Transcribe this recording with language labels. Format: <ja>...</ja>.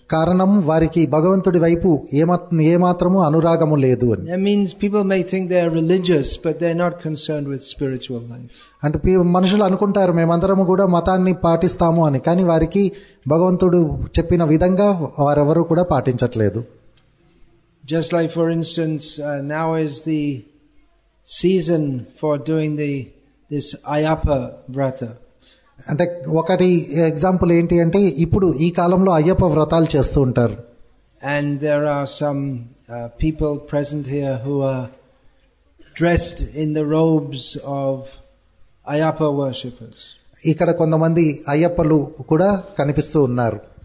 <te>కారణం వారికి భగవంతుడి వైపు ఏమాత్రము అనురాగము లేదు అని.</te> <en>That means people may think they are religious but they are not concerned with spiritual life.</en> <te>అంటే మనుషులు అనుకుంటారు మేమందరం కూడా మతాన్ని పాటిస్తాము అని, కానీ వారికి భగవంతుడు చెప్పిన విధంగా వారెవరూ కూడా పాటించట్లేదు.</te> <en>Just like for instance now is the season for doing this Ayyappa Vrata.</en> <te>అంటే ఒకటి ఎగ్జాంపుల్ ఏంటి అంటే ఇప్పుడు ఈ కాలంలో అయ్యప్ప వ్రతాలు చేస్తూ ఉంటారు.</te> <en>And there are some people present here who are dressed in the robes of Ayyappa worshippers.</en> <te>ఇక్కడ కొంతమంది అయ్యప్పలు కూడా కనిపిస్తూ ఉన్నారు.</te>